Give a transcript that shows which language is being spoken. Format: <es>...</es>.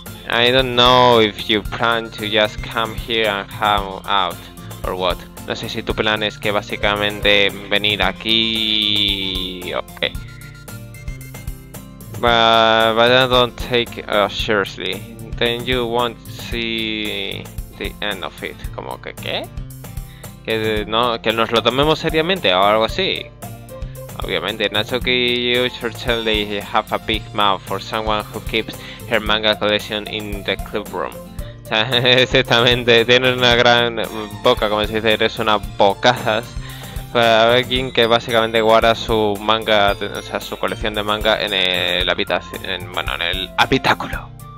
<en>I don't know if you plan to just come here and hang out or what.</en> <es>No sé si tu plan es que básicamente venir aquí o qué.</es> <en>But I don't take it seriously. Then you won't see the end of it.</en> <es>¿Cómo que qué? Que no, que nos lo tomemos seriamente o algo así.</es> <en>Obviamente, Natsuki, you certainly have a big mouth for someone who keeps her manga collection in the club room. O</en> <es>Exactamente, tienen una gran boca, como se dice, eres unas bocazas. Para alguien que básicamente guarda su manga, o sea, su colección de manga en el habitación, bueno, en el habitáculo.</es>